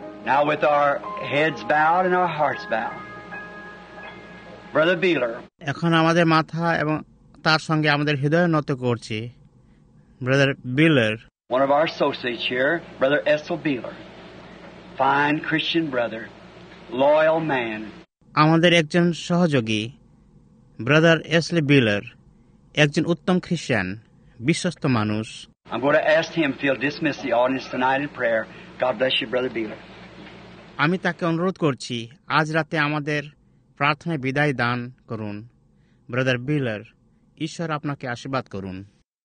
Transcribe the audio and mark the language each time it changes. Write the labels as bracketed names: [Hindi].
[English] Now with our heads bowed and our hearts bowed, Brother Beeler. [Bangla] এখন আমাদের মাথা এবং তার সঙ্গে আমাদের হৃদয় নত করছি, Brother Beeler. [English] One of our associates here, Brother Essel Beeler, fine Christian brother, loyal man. [Bangla] আমাদের একজন সহযোগী Brother Essel Beeler, একজন উত্তম খ্রিস্টান, বিশ্বস্ত মানুষ. [English] I'm going to ask him if he'll dismiss the audience tonight in prayer. God bless you, Brother Beeler. [Bangla] আমি তাকে অনুরোধ করছি আজ রাতে আমাদের প্রার্থনায় বিদায় দান করুন, Brother Beeler. ঈশ্বর আপনাকে আশীর্বাদ করুন.